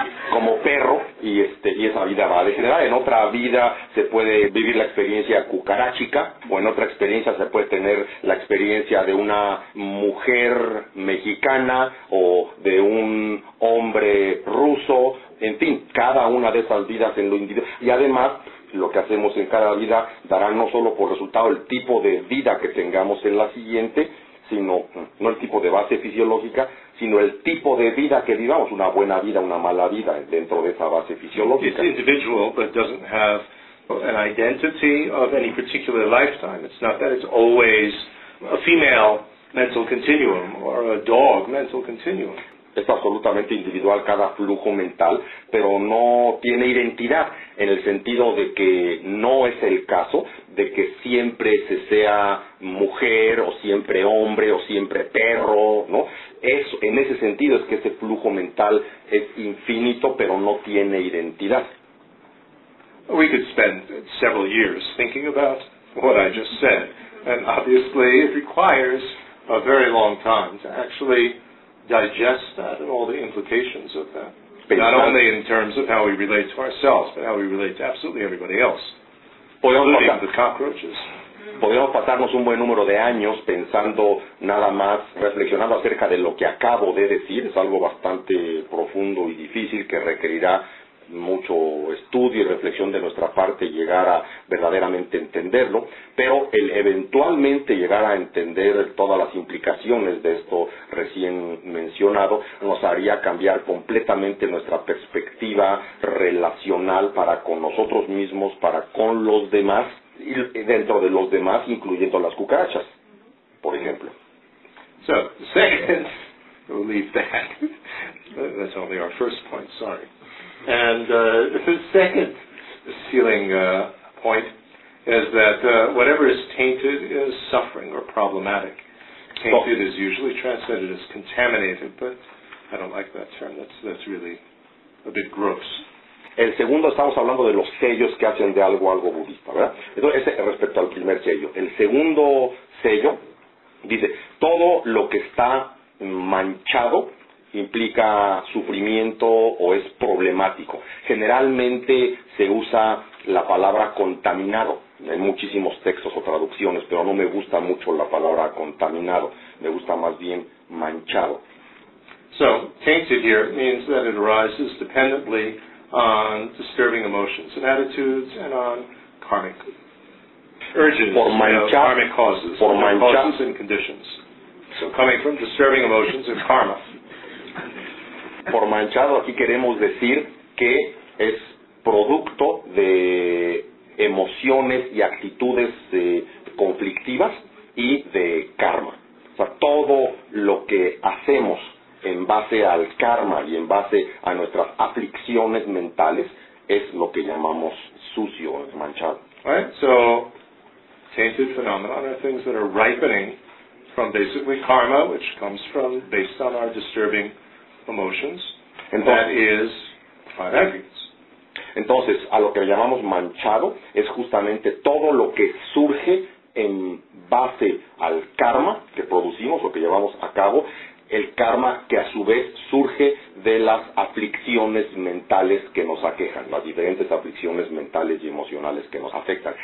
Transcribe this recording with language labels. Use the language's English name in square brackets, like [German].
[Spanish] Como perro, y esa vida va a degenerar. En otra vida se puede vivir la experiencia cucarachica, o en otra experiencia se puede tener la experiencia de una mujer mexicana o de un hombre ruso, en fin, cada una de esas vidas en lo individual. Y además, lo que hacemos en cada vida dará no solo por resultado el tipo de vida que tengamos en la siguiente, sino, no el tipo de base fisiológica, sino el tipo de vida que vivamos, una buena vida, una mala vida, dentro de esa base fisiológica. [English] It's individual, but doesn't have an identity of any particular lifetime. It's not that it's always a female mental continuum or a dog mental continuum. [Spanish] Es absolutamente individual cada flujo mental, pero no tiene identidad en el sentido de que no es el caso de que siempre se sea mujer o siempre hombre o siempre perro, ¿no? Eso, en ese sentido es que ese flujo mental es infinito, pero no tiene identidad. [English] We could spend several years thinking about what I just said, and obviously it requires a very long time to actually digest that and all the implications of that. Not only in terms of how we relate to ourselves, but how we relate to absolutely everybody else, including the cockroaches. [Spanish] Podemos pasarnos un buen número de años pensando nada más, reflexionando acerca de lo que acabo de decir. Es algo bastante profundo y difícil que requerirá mucho estudio y reflexión de nuestra parte llegar a verdaderamente entenderlo, pero el eventualmente llegar a entender todas las implicaciones de esto recién mencionado nos haría cambiar completamente nuestra perspectiva relacional para con nosotros mismos, para con los demás, y dentro de los demás incluyendo las cucarachas, por ejemplo. [English] So, second, we'll leave that. That's only our first point, sorry. And the second ceiling point is that whatever is tainted is suffering or problematic. Tainted is usually translated as contaminated, but I don't like that term. That's really a bit gross. [Spanish] El segundo, estamos hablando de los sellos que hacen de algo budista, ¿verdad? Entonces, ese respecto al primer sello. El segundo sello dice, todo lo que está manchado implica sufrimiento o es problemático. Generalmente se usa la palabra contaminado en muchísimos textos o traducciones, pero no me gusta mucho la palabra contaminado. Me gusta más bien manchado. [English] So, tainted here means that it arises dependently on disturbing emotions and attitudes and on karmic urges, [Spanish] por manchar, [English] you know, karmic causes, [Spanish] por manchar, [English] causes and conditions. So, coming from disturbing emotions and karma. [Spanish] Por manchado aquí queremos decir que es producto de emociones y actitudes conflictivas y de karma. O sea, todo lo que hacemos en base al karma y en base a nuestras aflicciones mentales es lo que llamamos sucio, es manchado. [English] Right, so tainted phenomena are things that are ripening from basically karma, which comes from based on our disturbing emotions, and that is five aggregates. [Spanish] Entonces, a lo que llamamos manchado es justamente todo lo que surge en base al karma que producimos o que llevamos a cabo, el karma que a su vez surge de las aflicciones mentales que nos aquejan, las diferentes aflicciones mentales y emocionales que nos afectan.